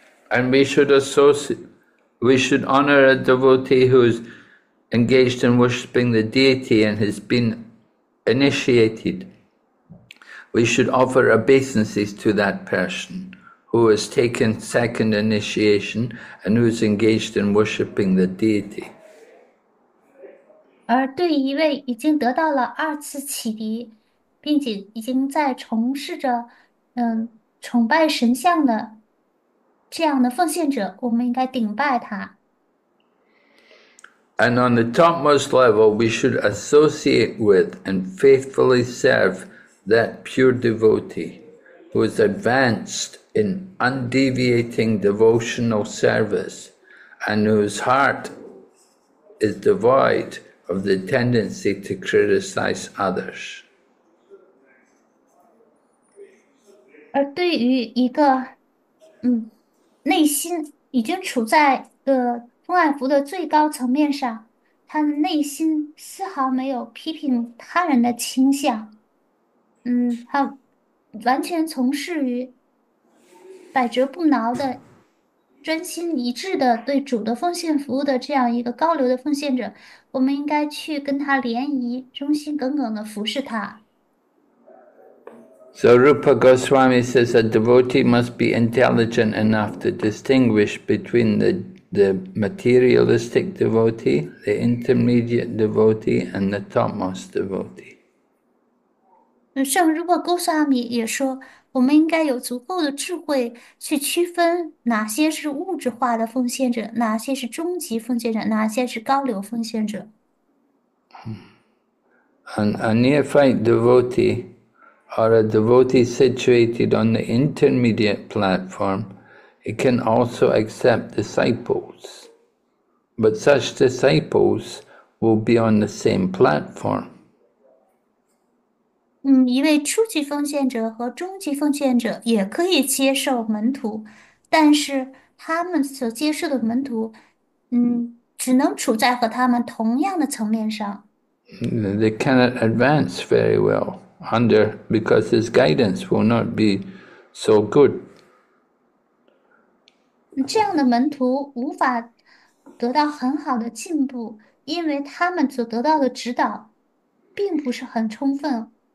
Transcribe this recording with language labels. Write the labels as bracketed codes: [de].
[en] And we should honor a devotee who's engaged in worshipping the deity and has been initiated. We should offer obeisances to that person who has taken second initiation and who's engaged in worshipping the deity. [zh] 而对一位已经得到了二次启迪，并且已经在从事着，崇拜神像的这样的奉献者，我们应该顶拜他。 [en] And on the topmost level, we should associate with and faithfully serve that pure devotee who is advanced in undeviating devotional service and whose heart is devoid of the tendency to criticize others. [zh] 而对于一个，内心已经处在通爱佛的最高层面上，他的内心丝毫没有批评他人的倾向，他完全从事于百折不挠的、专心一致的对主的奉献服务的这样一个高流的奉献者，我们应该去跟他联谊，忠心耿耿的服侍他。 [en] So Rupa Goswami says a devotee must be intelligent enough to distinguish between the materialistic devotee, the intermediate devotee, and the topmost devotee. [zh] 圣如果勾萨米也说，我们应该有足够的智慧去区分哪些是物质化的奉献者，哪些是终极奉献者，哪些是高流奉献者。 [en] A neophyte devotee. Or a devotee situated on the intermediate platform, it can also accept disciples. But such disciples will be on the same platform. [zh] 一位初级奉献者和中级奉献者也可以接受门徒，但是他们所接受的门徒，只能处在和他们同样的层面上。 [en] They cannot advance very well. Under because his guidance will not be so good. [zh] 这样的门徒无法得到很好的进步，因为他们所得到的指导并不是很充分。